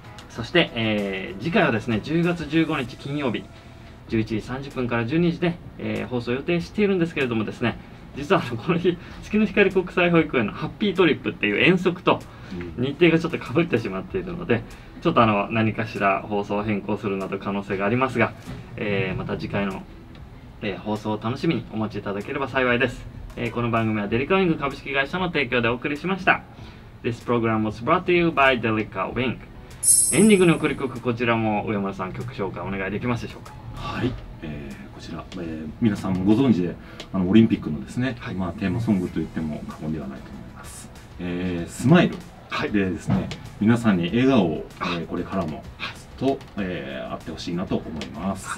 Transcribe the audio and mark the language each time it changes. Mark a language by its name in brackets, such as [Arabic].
[Japanese] そして、次回はですね、10月15日金曜日11時30分から12時で、放送予定しているんですけれどもですね、実はこの日月の光国際保育園のハッピートリップっていう遠足と日程がちょっと被ってしまっているので、ちょっと何かしら放送を変更するなど可能性がありますが、また次回の、放送を楽しみにお待ちいただければ幸いです。この番組はデリカウィング株式会社の提供でお送りしました。 [English] This program was brought to you by Delica Wing。 [Japanese] エンディングの送り曲、こちらも上村さん曲紹介お願いできますでしょうか？はい、こちらちら、皆さんもご存知で、あのオリンピックのですね、はい、まあ、テーマソングと言っても過言ではないと思います。スマイルでですね、はい、皆さんに笑顔を、これからもずっと、あってほしいなと思います。